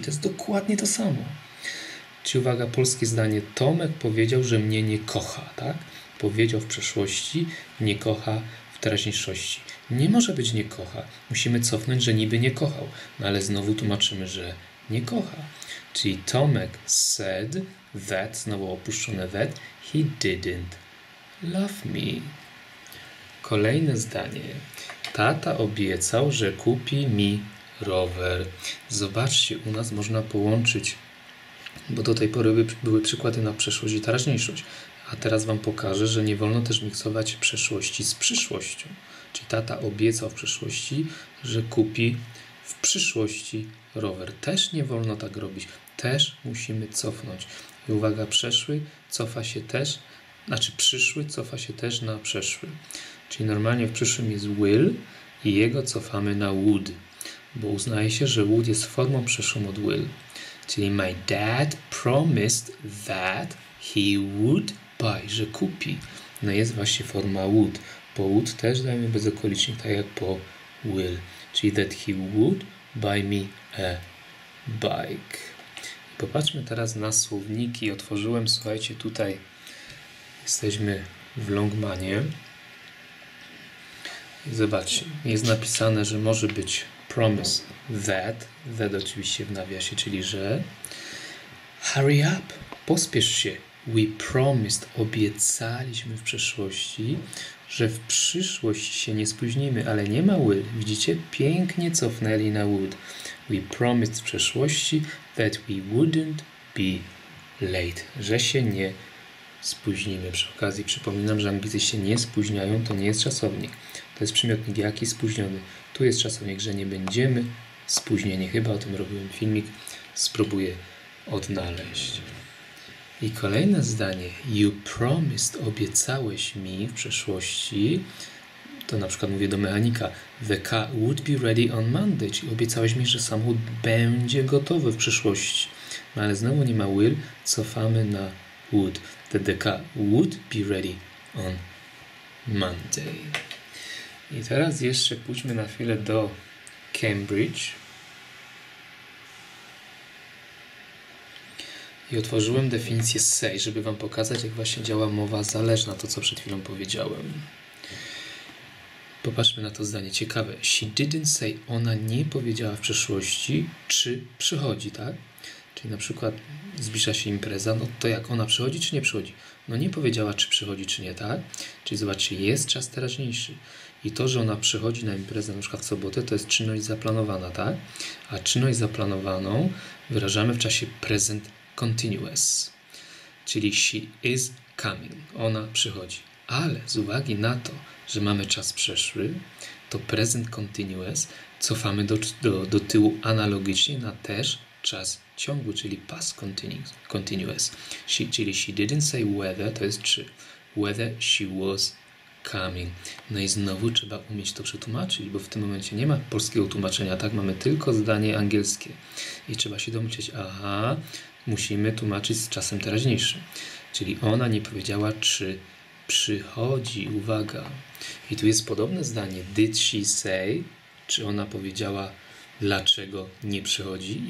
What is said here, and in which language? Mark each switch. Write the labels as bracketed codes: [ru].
[pl] To jest dokładnie to samo. Czy uwaga, polskie zdanie. Tomek powiedział, że mnie nie kocha, tak? Powiedział w przeszłości, nie kocha w teraźniejszości. Nie może być nie kocha. Musimy cofnąć, że niby nie kochał. No ale znowu tłumaczymy, że nie kocha. Czyli [en] Tomek said that, [pl] znowu opuszczone [en] that, he didn't love me. [pl] Kolejne zdanie. Tata obiecał, że kupi mi rower. Zobaczcie, u nas można połączyć, bo do tej pory były przykłady na przeszłość i teraźniejszość. A teraz wam pokażę, że nie wolno też miksować przeszłości z przyszłością. Czyli tata obiecał w przyszłości, że kupi w przyszłości rower. Też nie wolno tak robić. Też musimy cofnąć. I uwaga, przeszły cofa się też, znaczy przyszły cofa się też na przeszły. Czyli normalnie w przyszłym jest will i jego cofamy na would. Bo uznaje się, że would jest formą przeszłą od will. Czyli [en] my dad promised that he would buy, [pl] że kupi. No jest właśnie forma would. Bo would też dajemy bez okolicznik, tak jak po will. Czyli [en] that he would buy me a bike. [pl] Popatrzmy teraz na słowniki. Otworzyłem, słuchajcie, tutaj jesteśmy w Longmanie. Zobaczcie, jest napisane, że może być promise that, that oczywiście w nawiasie, czyli że. [en] Hurry up, [pl] pospiesz się. [en] We promised, [pl] obiecaliśmy w przeszłości, że w przyszłości się nie spóźnimy, ale nie ma will. Widzicie, pięknie cofnęli na would. [en] We promised [pl] w przeszłości [en] that we wouldn't be late, [pl] że się nie spóźnimy. Przy okazji przypominam, że Anglicy się nie spóźniają, to nie jest czasownik. To jest przymiotnik jaki spóźniony. Tu jest czasownik, że nie będziemy spóźnieni. Chyba o tym robiłem filmik. Spróbuję odnaleźć. I kolejne zdanie. [en] You promised, [pl] obiecałeś mi w przeszłości. To na przykład mówię do mechanika. [en] The car would be ready on Monday. [pl] Czyli obiecałeś mi, że samochód będzie gotowy w przyszłości. No ale znowu nie ma will. Cofamy na would. [en] The car would be ready on Monday. [pl] I teraz jeszcze pójdźmy na chwilę do Cambridge. I otworzyłem definicję say, żeby wam pokazać, jak właśnie działa mowa zależna, to co przed chwilą powiedziałem. Popatrzmy na to zdanie. Ciekawe. [en] She didn't say, [pl] ona nie powiedziała w przeszłości, czy przychodzi, tak? Czyli na przykład zbliża się impreza, no to jak ona przychodzi, czy nie przychodzi? No nie powiedziała, czy przychodzi, czy nie, tak? Czyli zobaczcie, jest czas teraźniejszy. I to, że ona przychodzi na imprezę na przykład w sobotę, to jest czynność zaplanowana, tak? A czynność zaplanowaną wyrażamy w czasie present continuous. Czyli [en] she is coming. [pl] Ona przychodzi. Ale z uwagi na to, że mamy czas przeszły, to present continuous cofamy do tyłu analogicznie na też czas ciągły, czyli past continuous. Czyli [en] she didn't say whether, [pl] to jest czy, [en] whether she was coming. [pl] No i znowu trzeba umieć to przetłumaczyć, bo w tym momencie nie ma polskiego tłumaczenia, tak? Mamy tylko zdanie angielskie. I trzeba się domyśleć, aha, musimy tłumaczyć z czasem teraźniejszym. Czyli ona nie powiedziała, czy przychodzi, uwaga. I tu jest podobne zdanie. [en] Did she say, [pl] czy ona powiedziała, dlaczego nie przychodzi?